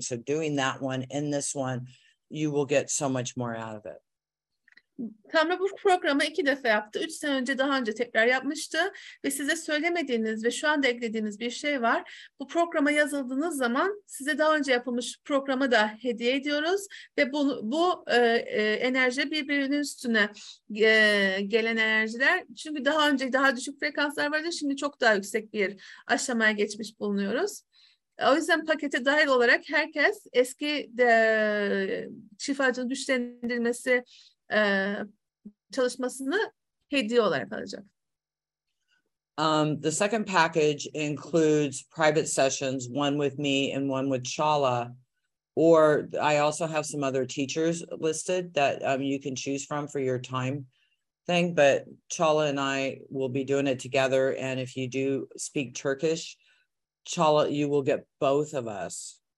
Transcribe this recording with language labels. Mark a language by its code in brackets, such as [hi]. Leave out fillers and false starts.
[en] So doing that one in this one, you will get so much more out of it. [tr] Tamra bu programı 2 defa yaptı. 3 sene önce daha önce tekrar yapmıştı. Ve size söylemediğiniz ve şu anda eklediğiniz bir şey var. Bu programa yazıldığınız zaman size daha önce yapılmış programı da hediye ediyoruz. Ve bu enerji birbirinin üstüne gelen enerjiler. Çünkü daha önce daha düşük frekanslar vardı. Şimdi çok daha yüksek bir aşamaya geçmiş bulunuyoruz. O yüzden pakete dahil olarak herkes eski şifacının güçlendirilmesi çalışmasını hediye olarak alacak. [en] The second package includes private sessions, one with me and one with Chala, or I also have some other teachers listed that you can choose from for your time thing, but Chala and I will be doing it together, and if you do speak Turkish, Chala, you will get both of us.